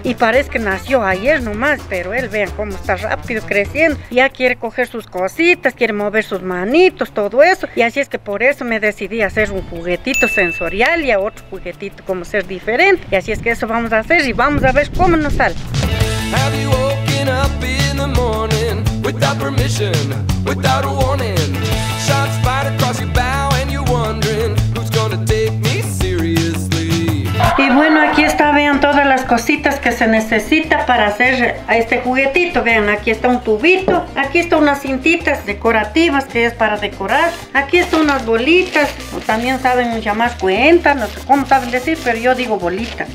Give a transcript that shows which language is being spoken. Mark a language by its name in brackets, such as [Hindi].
[Spanish] Y parece que nació ayer nomás, pero él, vean cómo está rápido creciendo. Ya quiere coger sus cositas, quiere mover sus manitos, todo eso. Y así es que por eso me decidí a hacer un juguetito sensorial y a otro juguetito como ser diferente. Y así es que eso vamos a hacer y vamos a ver cómo nos sale. [English] Have you woken up in the morning without permission, without a warning? Shots fired across your bow and you're wondering who's gonna take me seriously. [Spanish] Y bueno, aquí está, vean todas las cositas que se necesita para hacer a este juguetito. Vean, aquí está un tubito, aquí está unas cintitas decorativas que es para decorar, aquí están unas bolitas, o también saben llamar cuenta, no sé cómo saben decir, pero yo digo bolita.